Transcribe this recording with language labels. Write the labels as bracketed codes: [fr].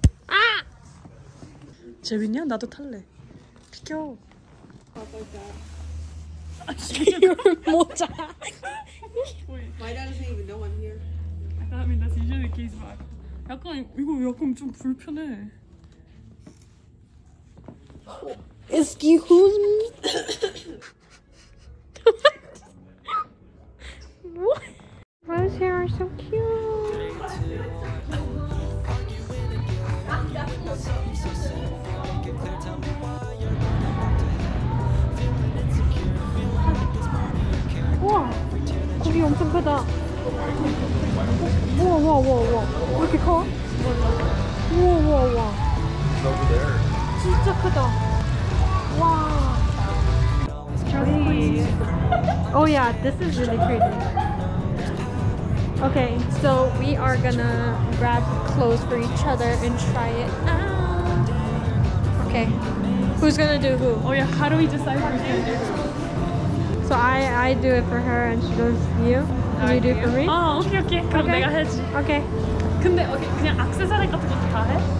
[ko] Ah! Jaewin, 야 나도 탈래. 비켜. [en] Your mother. Wait. My dad doesn't even know I'm here. I thought, I mean, that's usually the case, but. [ko] 약간 이거 약간 좀 불편해. [en] Excuse me. What? Rose hair are so cute. [ko] Wow. 거기 엄청 크다. 와, 와, 와, 와. 이렇게 커? 와, 와, 와. 진짜 크다. 와. 저기. [en] Oh yeah, this is really pretty. Okay, so we are gonna grab clothes for each other and try it out. Okay. Who's gonna do who? Oh yeah, how do we decide who's gonna do who? So I do it for her and she goes, you? Can you do it for me? Oh, okay, okay. Come, okay. [ko] 내가 해야지. [en] Okay. [ko] 근데 오케이 그냥 액세서리 같은 것도 다 해?